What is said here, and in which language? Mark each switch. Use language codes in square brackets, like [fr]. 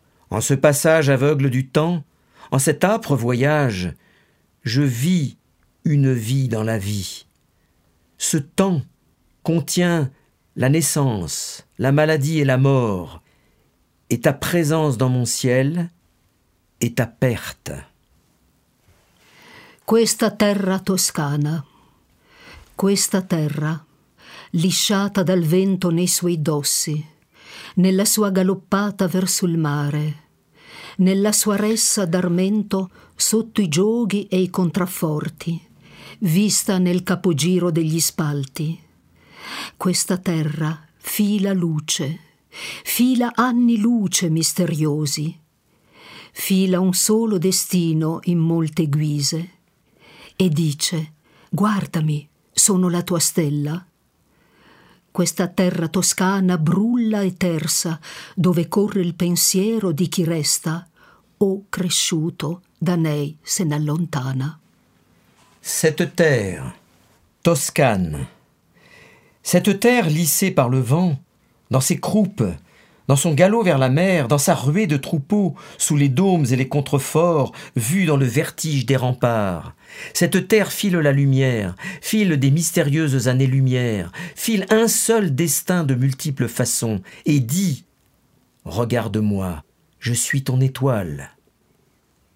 [fr] En ce passage aveugle du temps, en cet âpre voyage, je vis une vie dans la vie. Ce temps contient la naissance, la maladie et la mort, et ta présence dans mon ciel et ta perte. [it] Questa terra toscana, questa terra, lisciata dal vento nei suoi dossi, nella sua galoppata verso il mare, nella sua ressa d'armento sotto i giochi e i contrafforti, vista nel capogiro degli spalti. Questa terra fila luce, fila anni luce misteriosi, fila un solo destino in molte guise e dice: guardami, sono la tua stella. Questa terra toscana brulla e tersa, dove corre il pensiero di chi resta o cresciuto da nei se n'allontana. [fr] Cette terre toscane, cette terre lissée par le vent, dans ses croupes, Dans son galop vers la mer, dans sa ruée de troupeaux, sous les dômes et les contreforts, vus dans le vertige des remparts. Cette terre file la lumière, file des mystérieuses années-lumière, file un seul destin de multiples façons, et dit « Regarde-moi, je suis ton étoile ».